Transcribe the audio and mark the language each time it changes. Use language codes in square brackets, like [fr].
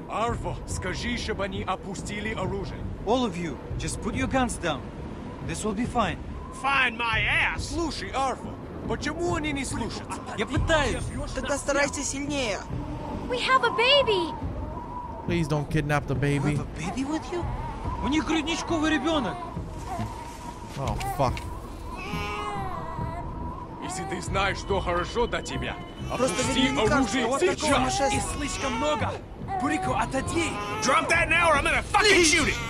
[ru] Arvo, скажи, чтобы они опустили оружие. [en] All of you, just put your guns down. This will be fine. Find my ass! [ru] Слушай, Arvo, почему они не слушаются? Я пытаюсь. Тогда старайся сильнее. [en] We have a baby! Please don't kidnap the baby. You have a baby with you? [ru] У них грудничковый ребенок. [en] Oh, fuck. [ru] Если ты знаешь, что хорошо для тебя, опусти оружие сейчас! И слишком много! Бурико, отойди! [en] Drop that now or I'm gonna fucking shoot it!